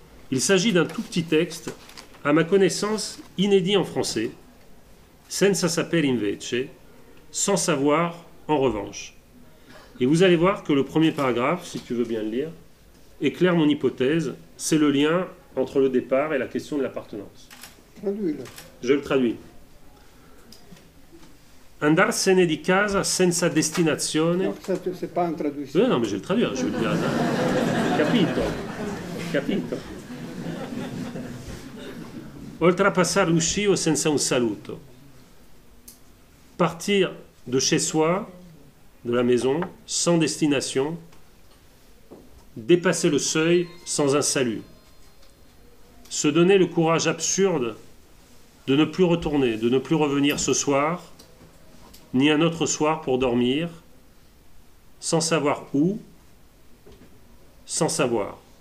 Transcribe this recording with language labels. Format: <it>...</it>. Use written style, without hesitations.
<fr>Il s'agit d'un tout petit texte, à ma connaissance, inédit en français, Senza sapere invece, sans savoir en revanche. Et vous allez voir que le premier paragraphe, si tu veux bien le lire, éclaire mon hypothèse, c'est le lien entre le départ et la question de l'appartenance. Je le traduis.</fr> <it>Andarsene di casa senza destinazione.</it> <fr>Non, mais je vais le traduire, je vais le dire.</fr> <it>Capito. Oltrepassare l'uscio senza un saluto.</it> <fr>Partir de chez soi, de la maison, sans destination. Dépasser le seuil sans un salut. Se donner le courage absurde de ne plus retourner, de ne plus revenir ce soir, ni un autre soir pour dormir, sans savoir où, sans savoir.</fr>